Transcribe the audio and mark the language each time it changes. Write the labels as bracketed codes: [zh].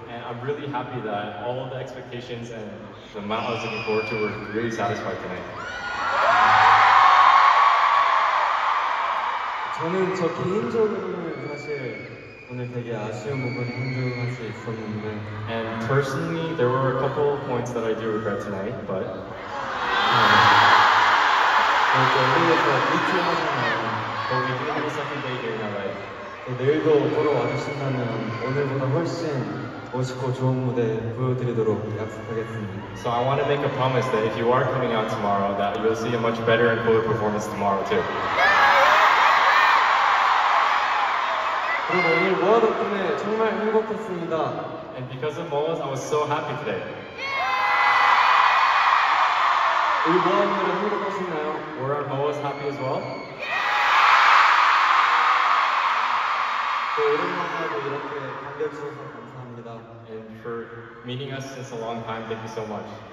[en] And I'm really happy that all of the expectations and the amount I was looking forward to were really satisfied tonight. [ko] 저는 저 개인적으로는 사실 오늘 되게 아쉬운 부분이 한 줄 사실 있었는데. [en] And personally, there were a couple of points that I do regret tonight, but. [ko] 그래서 우리가 미팅하잖아요. [en] But we do have a second day here in LA. [ko] 내일도 보러 와주신다면 오늘보다 훨씬 멋있고 좋은 무대 보여드리도록 약속하겠습니다. [en] So I want to make a promise that if you are coming out tomorrow, that you'll see a much better and cooler performance tomorrow too. [ko] 그리고 오늘 모아 덕분에 정말 행복했습니다. [en] And because of Moa's, I was so happy today. [ko] 우리 모아분들은 행복하셨나요? [en] Were our Moa's happy as well? [ko] 또 이런 만남도 이렇게 반겨주셔서 감사합니다. [en] And for meeting us since a long time, thank you so much.